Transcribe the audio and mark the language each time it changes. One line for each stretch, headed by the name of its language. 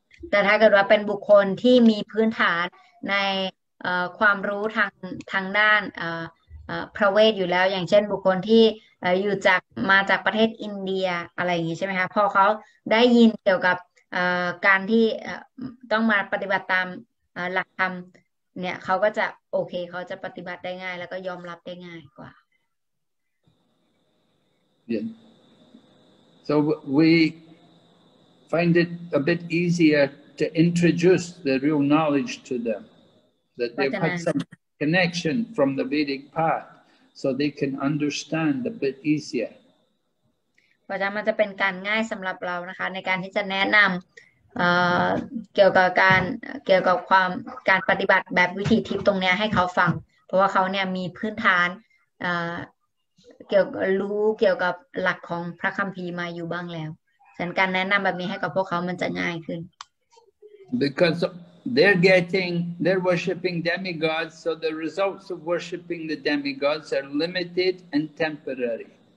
Thai: แต่ถ้าเกิดว่าเป็นบุคคลที่มีพื้นฐานในความรู้ทางด้านพระเวทอยู่แล้วอย่างเช่นบุคคลที่อยู่จากมาจากประเทศอินเดียอะไรอย่างนี้ใช่ไหมคะพอเขาได้ยินเกี่ยวกับการที่ต้องมาปฏิบัติตามหลักธรรมเนี่ยเขาก็จะโอเคเขาจะปฏิบัติได้ง่ายแล้วก็ยอมรับได้ง่ายกว่า
English: yeah. so weFind it a bit easier to introduce the real knowledge to them, that they've had some connection from the Vedic path, so they can understand a bit easier.
Thai: เพราะฉะนั้นมันจะเป็นการง่ายสำหรับเรานะคะในการที่จะแนะนำเกี่ยวกับการเกี่ยวกับความการปฏิบัติแบบวิธีทิพย์ตรงนี้ให้เขาฟังเพราะว่าเขาเนี่ยมีพื้นฐานเกี่ยวรู้เกี่ยวกับหลักของพระคัมภีร์มาอยู่บ้างแล้วฉันการแนะนำแบบนี้ให้กับพวกเขามันจะง่ายขึ้น
English: Because they're worshiping demigods, so the results of worshiping the demigods are limited and temporary.